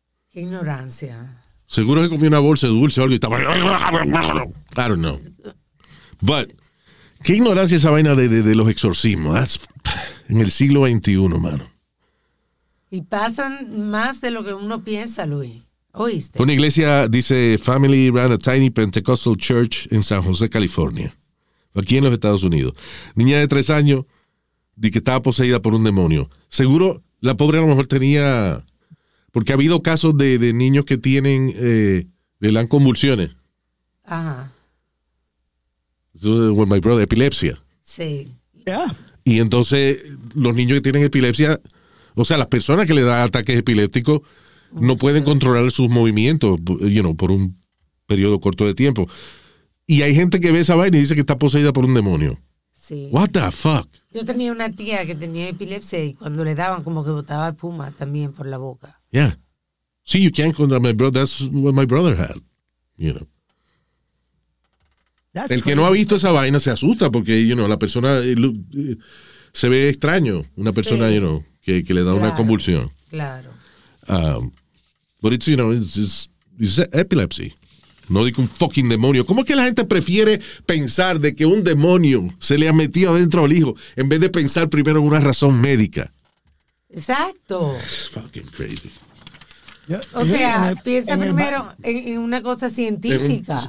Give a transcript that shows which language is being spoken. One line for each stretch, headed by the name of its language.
Spanish: Qué ignorancia. Seguro que comió una bolsa de dulce o algo y estaba...
English: I don't know.
Spanish: But, qué ignorancia esa vaina de los exorcismos. That's, en el siglo XXI, mano. Y pasan más de lo que uno piensa, Luis. ¿Oíste? Una iglesia, dice,
English: Family ran a tiny Pentecostal church in San Jose, California.
Spanish: Aquí en los Estados Unidos. Niña de 3 años, di que estaba poseída por un demonio. Seguro, la pobre a lo mejor tenía... Porque ha habido casos de niños que tienen, le dan convulsiones. Ajá.
English: So, well, my brother, epilepsia.
Spanish: Sí.
English: Yeah.
Spanish: Y entonces, los niños que tienen epilepsia, o sea, las personas que le dan ataques epilépticos, no pueden controlar sus movimientos,
English: you know,
Spanish: por un periodo corto de tiempo. Y hay gente que ve esa vaina y dice que está poseída por un demonio. Sí.
English: What the fuck?
Spanish: Yo tenía una tía que tenía epilepsia y cuando le daban como que botaba espuma también por la boca.
English: Yeah. See, you can't control my brother. That's what my brother had. You know. That's
Spanish: El que no ha visto esa vaina se asusta porque,
English: you know,
Spanish: la persona se ve extraño. Una persona, sí.
English: You know,
Spanish: que le da, claro, una convulsión. Claro.
English: But it's, you know, it's epilepsy.
Spanish: No digo un fucking demonio. ¿Cómo es que la gente prefiere pensar de que un demonio se le ha metido adentro al hijo en vez de pensar primero en una razón médica? Exacto.
English: It's fucking crazy.
Spanish: O sea, piensa primero en una cosa científica.